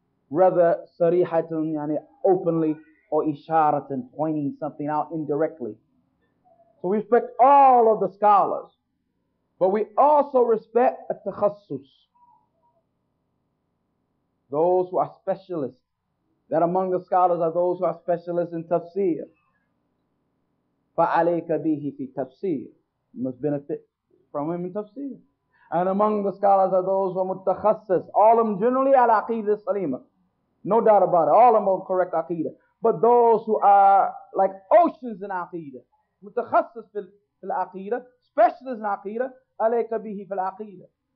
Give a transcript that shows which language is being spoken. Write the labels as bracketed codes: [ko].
[en] Rather, sarihatan, yani openly, or isharatan, pointing something out indirectly. So we respect all of the scholars. But we also respect at-takhassus. Those who are specialists. That among the scholars are those who are specialists in tafsir. [ar] فَعَلَيْكَ بِهِ فِي tafsir. [en] You must benefit from him in tafsir. And among the scholars are those who are mutakhassis. All of them generally are aqidah salima. No doubt about it. All of them are correct aqidah. But those who are like oceans in aqidah, [ar] mutakhassis fil aqidah, [en] specialists in aqidah, [ar] alayka bihi fil aqidah.